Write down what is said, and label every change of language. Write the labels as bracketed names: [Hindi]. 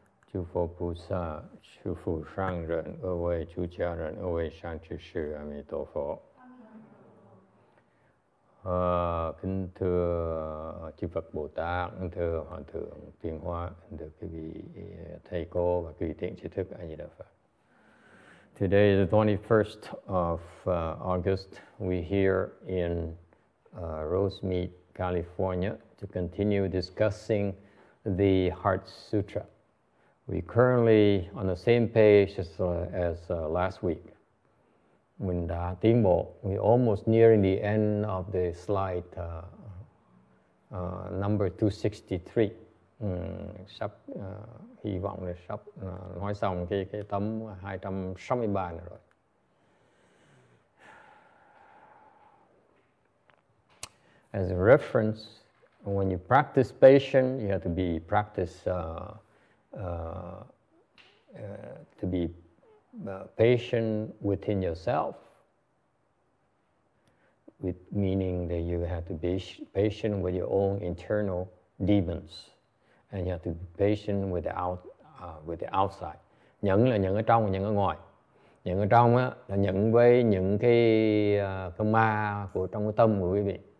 [Chinese] 诸佛菩萨，诸佛上人，二位出家人，二位善知识，阿弥陀佛。 [Vietnamese] kính thưa chư Phật Bồ Tát, kính thưa Hòa thượng Tuyên Hóa, kính thưa quý vị thầy cô và quý vị tiện trí thức A Di Đà Phật. [English] Today is the 21st of August. We here in Rosemead, California, to continue discussing the Heart Sutra. We currently on the same page as last week. When the Timbo, we're almost nearing the end of the slide number 263. [Vietnamese] Sắp hy vọng là sắp nói xong cái tấm 263 này rồi. [English] As a reference, when you practice patient, you have to be practice to be patient within yourself. With meaning that you have to be patient with your own internal demons, and you have to be patient with the out with the outside. [Vietnamese] Nhẫn là nhẫn ở trong và nhẫn ở ngoài. Nhẫn ở trong á là nhẫn với những cái ma của trong cái tâm của quý vị.